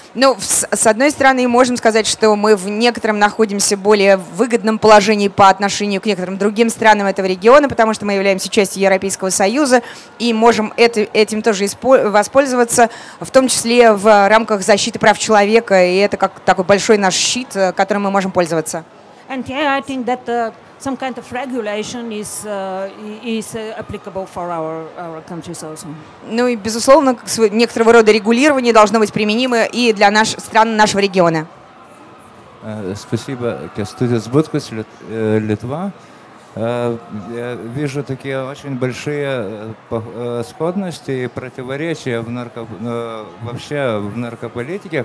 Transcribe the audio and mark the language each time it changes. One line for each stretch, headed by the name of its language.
Russian: Ну, с одной стороны, можем сказать, что мы в некотором находимся более выгодном положении по отношению к некоторым другим странам этого региона, потому что мы являемся частью Европейского Союза и можем этим тоже воспользоваться, в том числе в рамках защиты прав человека, и это как такой большой наш щит, которым мы можем пользоваться.
English: And yeah, I think that some kind of regulation is applicable for our countries also.
Russian: Ну и безусловно, некоторого рода регулирование должно быть применимо и для стран нашего региона. Спасибо. Студия Збуткус, Литва. Я вижу такие очень большие сходности и противоречия вообще в наркополитике.